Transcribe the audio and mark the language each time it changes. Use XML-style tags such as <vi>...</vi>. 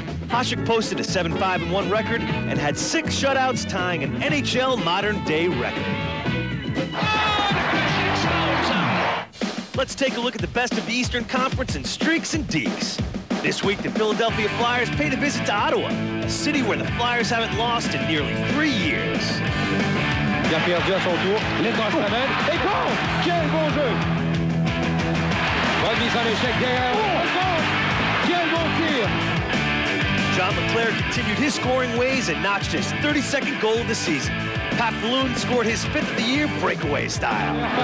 <en>Hasek posted a 7-5-1 record and had 6 shutouts, tying an NHL modern-day record. Let's take a look at the best of the Eastern Conference in streaks and deeks. This week, the Philadelphia Flyers paid a visit to Ottawa, a city where the Flyers haven't lost in nearly 3 years.</en> <fr>Pierre Dias autour, l'étoile se ramène, et bon, quel bon jeu! Bonne mise en échec derrière, quel bon tir!</fr> <en>John LeClair continued his scoring ways and notched his 32nd goal of the season. Pat Falloon scored his 5th of the year breakaway style.</en>